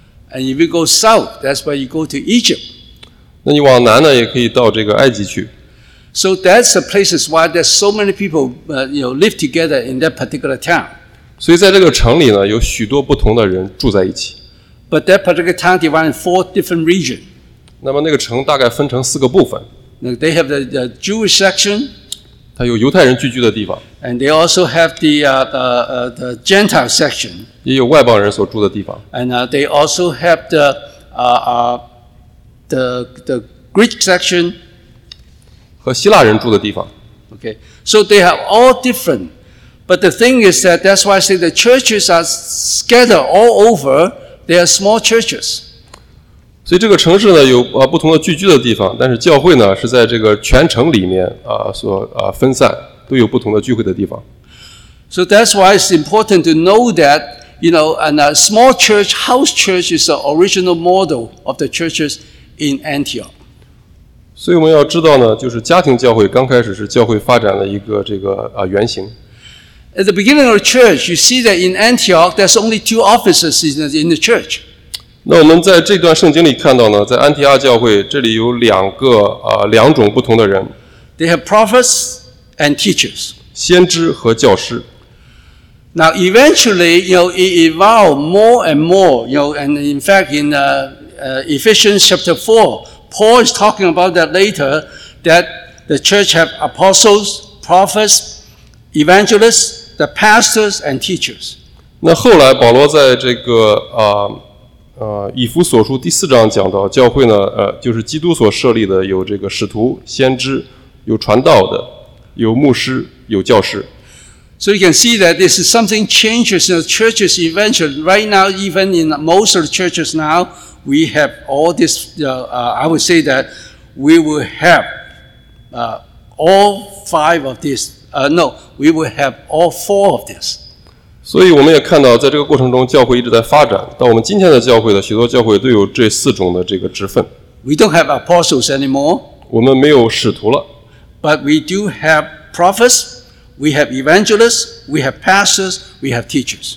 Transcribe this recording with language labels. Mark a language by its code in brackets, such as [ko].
[en] And if you go south, that's where you go to Egypt. [zh] 那你往南呢，也可以到这个埃及去。 [en] So that's the places why there's so many people, live together in that particular town. [zh] 所以在这个城里呢，有许多不同的人住在一起。 [en] But that particular town divided four different regions. [zh] 那么那个城大概分成四个部分。 [en] Now they have the Jewish section. [zh] 它有犹太人聚居的地方 [en] ，and they also have the Gentile section， [zh] 也有外邦人所住的地方 [en] ，and they also have the Greek section， [zh] 和希腊人住的地方。 [en] Okay, so they have all different, but the thing is that's why I say the churches are scattered all over. They are small churches. [zh] 所以这个城市呢有不同的聚居的地方，但是教会呢是在这个全城里面分散，都有不同的聚会的地方。 [en] So that's why it's important to know that, you know, and a small church, house church is the original model of the churches in Antioch. [zh] 所以我们要知道呢，就是家庭教会刚开始是教会发展的一个这个原型。 [en] At the beginning of the church, you see that in Antioch, there's only two offices in the church. [zh] 那我们在这段圣经里看到呢，在安提阿教会这里有两种不同的人。 [en] They have prophets and teachers. [zh] 先知和教师。 [en] Now, eventually, you know, it evolved more and more. You know, and in fact, in Ephesians chapter 4, Paul is talking about that later, that the church have apostles, prophets, evangelists, the pastors, and teachers. [zh] 那后来保罗在这个以弗所书第四章讲到教会呢就是基督所设立的有这个使徒先知有传道的有牧师有教师。 [en] So you can see that this is something changes in the churches eventually. Right now, even in most of the churches now, we have all this, I would say that we will have all five of this. We will have all four of this. [zh] 所以我们也看到在这个过程中教会一直在发展。到我们今天的教会的许多教会都有这四种的这个职分。 [en] We don't have apostles anymore. [zh] 我们没有使徒了。 [en] But we do have prophets. We have evangelists, we have pastors, we have teachers.